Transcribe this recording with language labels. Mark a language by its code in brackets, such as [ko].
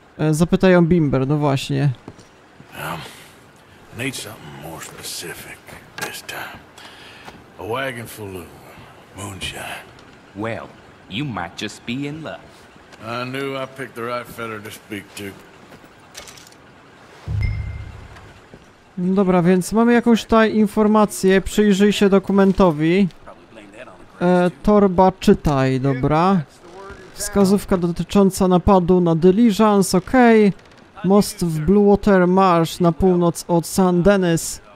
[pl] Zapytaj o Bimber, no właśnie. [en] Need something more specific this time. A wagon full of moonshine. Well, you might just be in luck. I knew I picked the right fella to speak to. [pl] Dobra, więc mamy jakąś tutaj informację. Przyjrzyj się dokumentowi. Torba czytaj, dobra. Wskazówka dotycząca napadu na Diligence, okej. Most w Bluewater Marsh na północ od San Denis.